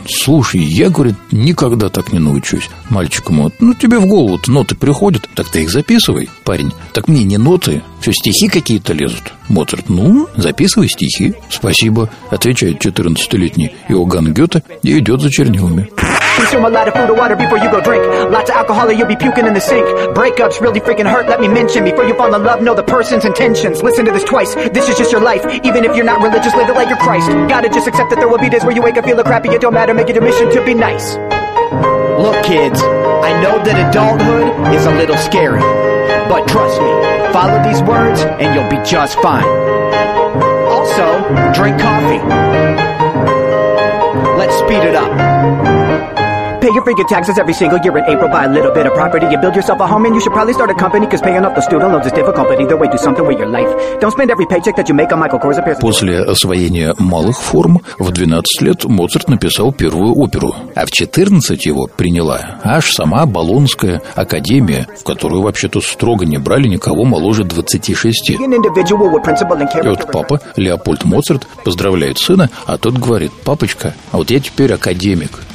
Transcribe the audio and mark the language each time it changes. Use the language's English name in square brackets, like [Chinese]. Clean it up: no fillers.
[Russian] «Слушай, я, говорит, никогда так не научусь». Мальчик ему: «Ну, тебе в голову-то ноты приходят, так ты их записывай». Парень: «Так мне не ноты, все стихи какие-то лезут». Моцарт: «Ну, записывай стихи». «Спасибо», отвечает 14-летний Иоганн Гёте и идет за чернилами. [English] Consume a lot of food or water before you go drink. Lots of alcohol or you'll be puking in the sink. Breakups really freaking hurt, let me mention. Before you fall in love, know the person's intentions. Listen to this twice, this is just your life. Even if you're not religious, live it like you're Christ. Gotta just accept that there will be days where you wake up feeling crappy. It don't matter, make it your mission to be nice. Look kids, I know that adulthood is a little scary. But trust me, follow these words and you'll be just fine. Also, drink coffee. Let's speed it up. Pay your freaking taxes every single year in April. Buy a little bit of property. You build yourself a home and you should probably start a company. Cause paying off the student loans is difficult. But either way, do something with your life. Don't spend every paycheck that you make on Michael Kors. [Russian] После освоения малых форм в 12 лет Моцарт написал первую оперу. А в 14 его приняла аж сама Болонская академия, в которую вообще-то строго не брали никого моложе 26. И вот папа, Леопольд Моцарт, поздравляет сына, а тот говорит: «Папочка, а вот я теперь академик.